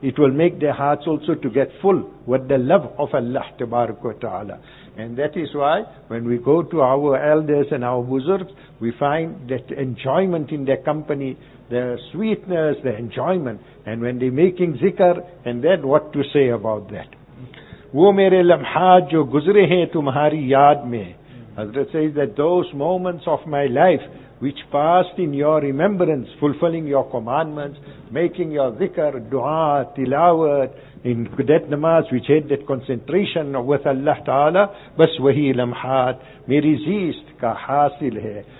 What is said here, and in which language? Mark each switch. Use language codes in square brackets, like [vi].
[en] It will make their hearts also to get full with the love of Allah Tabaraka Ta'ala. And that is why when we go to our elders and our buzurgs, we find that enjoyment in their company, their sweetness, their enjoyment. And when they're making zikr, and then what to say about that? [ur] وہ میرے لمحات جو گزرے ہیں تمہاری یاد میں. [en] Hazrat says that those moments of my life which passed in your remembrance, fulfilling your commandments, making your zikr, dua, tilawat, in that namaz which had that concentration with Allah Ta'ala, [ur] بس وہی لمحات میری زیست کا حاصل ہے.